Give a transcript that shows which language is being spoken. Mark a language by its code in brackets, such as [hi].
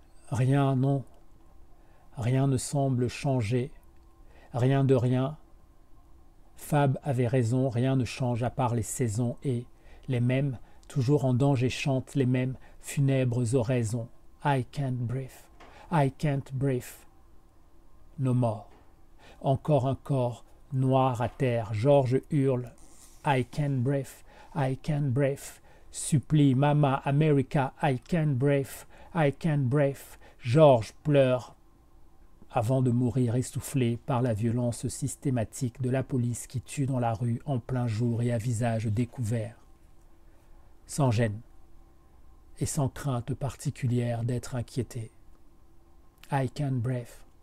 [fr] Rien, non. Rien ne semble changer. Rien de rien. Fab avait raison, rien ne change à part les saisons et les mêmes, toujours en danger, chantent les mêmes funèbres oraisons. [en] I can't breathe, I can't breathe. No more. [fr] Encore un corps noir à terre. George hurle. [en] I can't breathe, I can't breathe. Supplie, Mama, America, I can't breathe, I can't breathe. [fr] George pleure avant de mourir essoufflé par la violence systématique de la police qui tue dans la rue en plein jour et à visage découvert. Sans gêne. Et sans crainte particulière d'être inquiété. [en] I can't breathe.